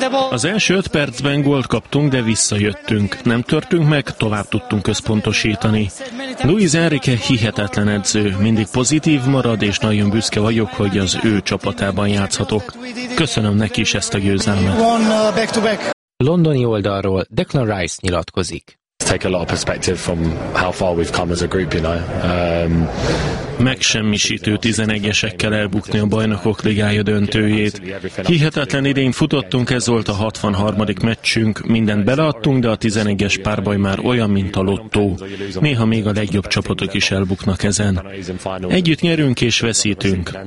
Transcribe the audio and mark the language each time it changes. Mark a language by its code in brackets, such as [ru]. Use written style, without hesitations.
[hu] Az első 5 percben gólt kaptunk, de visszajöttünk. Nem törtünk meg, tovább tudtunk összpontosítani. Luis Enrique hihetetlen edző. Mindig pozitív marad, és nagyon büszke vagyok, hogy az ő csapatában játszhatok. Köszönöm neki is ezt a győzelmet. Londoni oldalról Declan Rice nyilatkozik. [en] take a lot of perspective from how far we've come as a group, you know. [hu] Megsemmisítő 11-esekkel elbukni a Bajnokok Ligája döntőjét. Hihetetlen idén futottunk, ez volt a 63. meccsünk, mindent beleadtunk, de a 11-es párbaj már olyan, mint a lottó. Néha még a legjobb csapatok is elbuknak ezen. Együtt nyerünk és veszítünk.